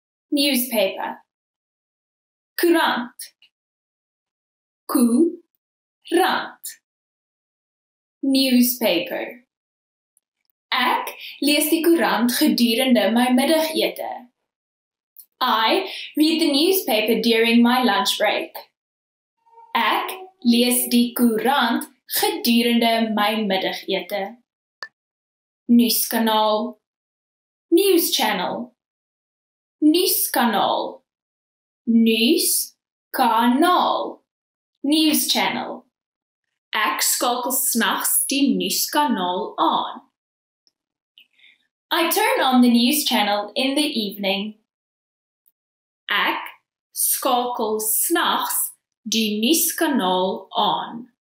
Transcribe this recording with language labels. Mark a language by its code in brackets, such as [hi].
[en] Newspaper. [af] Courant. Courant. [en] Newspaper. [af] Ek lees die koerant gedurende my middagete. [en] I read the newspaper during my lunch break. [af] Ek lees die koerant gedurende my middagete. Nuuskanaal. [en] News channel. [af] Nuuskanaal. Nuuskanaal. [en] News channel. [af] Ek skakel 's nachts die nuuskanaal aan. [en] I turn on the news channel in the evening. [af] Ek skakel 's nachts die nuuskanaal aan.